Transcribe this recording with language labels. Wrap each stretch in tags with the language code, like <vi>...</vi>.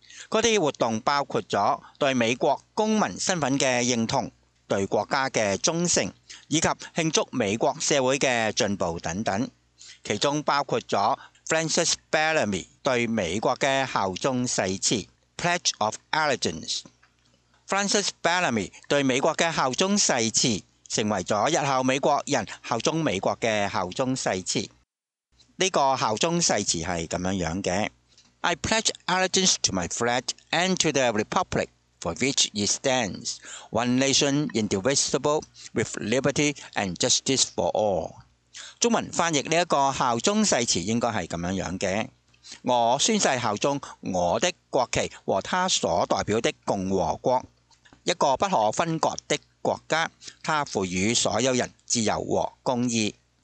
<zh>那些活动包括了对美国公民身份的认同、对国家的忠诚，以及庆祝美国社会的进步等等，其中包括了 Francis Bellamy 对美国的效忠誓词 Pledge of Allegiance。 Francis Bellamy 对美国的效忠誓词成为了日后美国人效忠美国的效忠誓词。这个效忠誓词是这样样的。</zh> <en>I pledge allegiance to my flag and to the republic for which it stands, one nation indivisible with liberty and justice for all.</en> <zh>中文翻译这个效忠誓词应该是这样样的。我宣誓效忠我的国旗和他所代表的共和国，一个不可分割的国家，他赋予所有人自由和公义。</zh>